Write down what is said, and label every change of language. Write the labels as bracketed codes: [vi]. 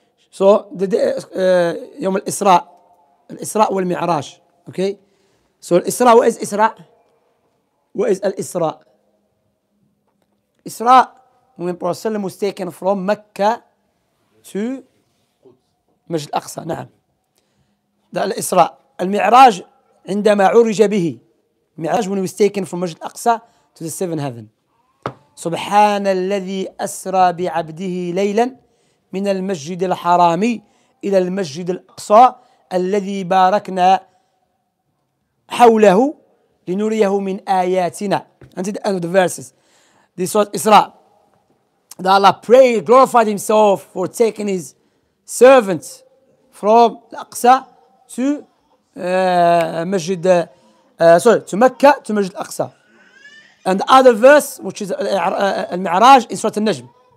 [en] So the Yom al-Isra wal Mi'raj. Okay. So Isra, what is Isra? What is al-Isra? Isra, when Prophet was taken from Mecca to Masjid Al-Aqsa, نعم. That al-Isra. [ar] Al-Mi'raj, عندما عرج به. [en] Mi'raj, when he was taken from Masjid Al-Aqsa to the seventh heaven. [ar] سبحان الذي أسرى بعبده ليلا من المسجد الحرام إلى المسجد الأقصى الذي باركنا حوله لنريه من آياتنا. [en] Until the end of the verses. This was Isra. That Allah prayed, glorified himself for taking his servant from Al-Aqsa to to Mecca to Masjid Al-Aqsa. And the other verse, which is Al-Mi'raj, in Surah Al-Najm.